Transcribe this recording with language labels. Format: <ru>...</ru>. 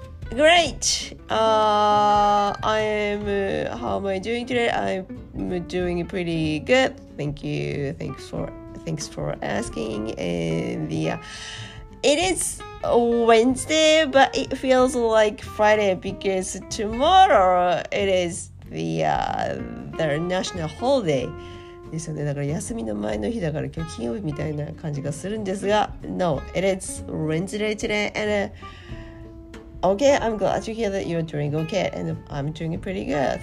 <en>Great How am I doing today I'm doing pretty good Thanks for asking And It is Wednesday, but it feels like Friday because tomorrow it is the national holiday.</en> <ja>ですよね。だから休みの前の日だから今日金曜日みたいな感じがするんですが、</ja> <en>No, it is Wednesday today. And okay, I'm glad to hear that you're doing okay, and I'm doing pretty good.</en>